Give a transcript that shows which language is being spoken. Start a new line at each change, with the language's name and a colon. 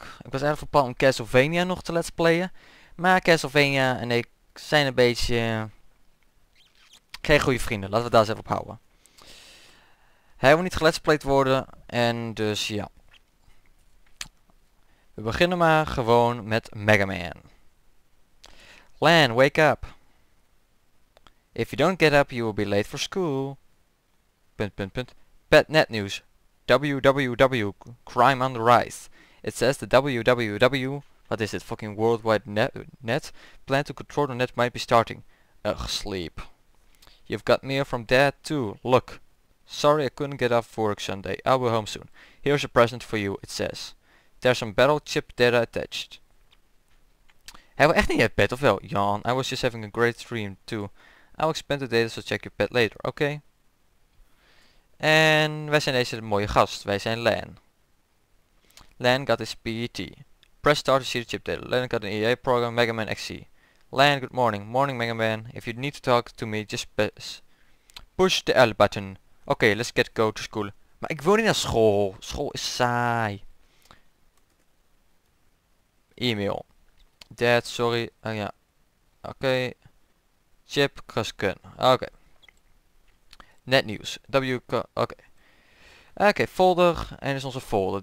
Dutch: Ik was eigenlijk van plan om Castlevania nog te Let's Playen. Maar Castlevania en ik zijn een beetje... geen goede vrienden, laten we daar eens even op houden. Hij wil niet geletsplayed worden en dus ja. We beginnen maar gewoon met Mega Man.
English: Lan, wake up. If you don't get up, you will be late for school.
Dutch: Punt, punt, punt.
English: Pet net news. WWW. Crime on the rise. It says the WWW. What is it? Fucking worldwide net. Plan to control the net might be starting. Ugh, sleep. You've got mail from dad too. Look. Sorry I couldn't get up for work Sunday. I'll be home soon. Here's a present for you, it says. There's some battle chip data attached.
Dutch: Hij wil echt niet het pet, of wel?
English: Jan, I was just having a great dream too. I'll expand the data, so check your pet later.
Dutch: Oké. En wij zijn deze mooie gast. Wij zijn Lan.
English: Lan got his PET. Press start to see the chip data. Lan got an EA program, Mega Man XC. Lan, good morning. Morning, Mega Man. If you need to talk to me, just push the L button. Oké, okay, let's get go to school.
Dutch: Maar ik wil niet naar school. School is saai. E-mail. Dad, sorry. Ja. Oké. Okay. Chip, kruskun. Oké. Okay. Net nieuws. Oké. Okay. Oké, okay, folder. En is onze folder.